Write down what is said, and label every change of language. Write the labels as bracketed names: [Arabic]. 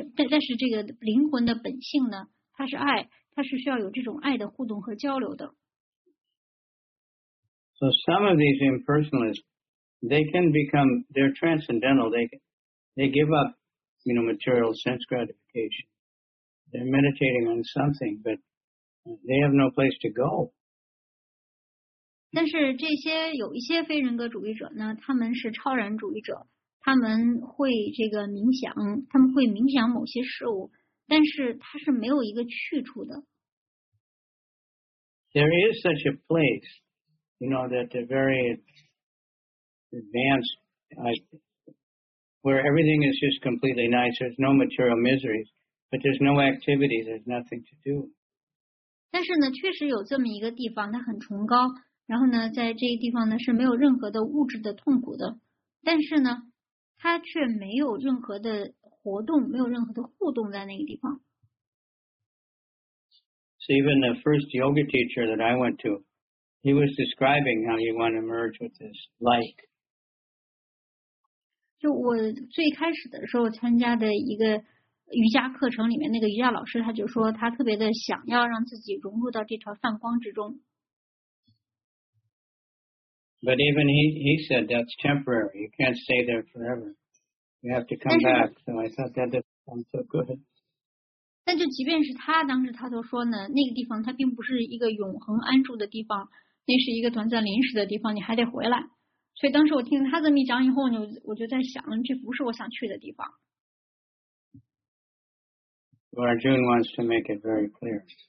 [Chinese] 但是这个灵魂的本性呢，它是爱，它是需要有这种爱的互动和交流的。 [English] So some of these impersonalists, they can become, they're transcendental. They give up, you know, material sense gratification. They're meditating on something, but they have no place to go. [Chinese] 但是这些有一些非人格主义者呢，他们是超然主义者。他们会这个冥想，他们会冥想某些事物，但是它是没有一个去处的。 [English] There is such a place, you know, that the very advanced, where everything is just completely nice. There's no material miseries, but there's no activity. There's nothing to do. [Chinese] 但是呢，确实有这么一个地方，它很崇高。然后呢，在这个地方呢，是没有任何的物质的痛苦的。但是呢。他却没有任何的活动，没有任何的互动在那个地方。 [English] So even the first yoga teacher that I went to, he was describing how he wanted to merge with this like. [Chinese] 就我最开始的时候参加的一个瑜伽课程里面，那个瑜伽老师他就说，他特别的想要让自己融入到这团泛光之中。 [English] But even he said that's temporary. You can't stay there forever. You have to come back. So I thought that didn't sound so good. [Chinese] 但就即便是他当时他都说呢，那个地方它并不是一个永恒安住的地方，那是一个短暂临时的地方，你还得回来。所以当时我听他这么一讲以后呢，我就在想，这不是我想去的地方。 [English] Well, Arjun wants to make it very clear.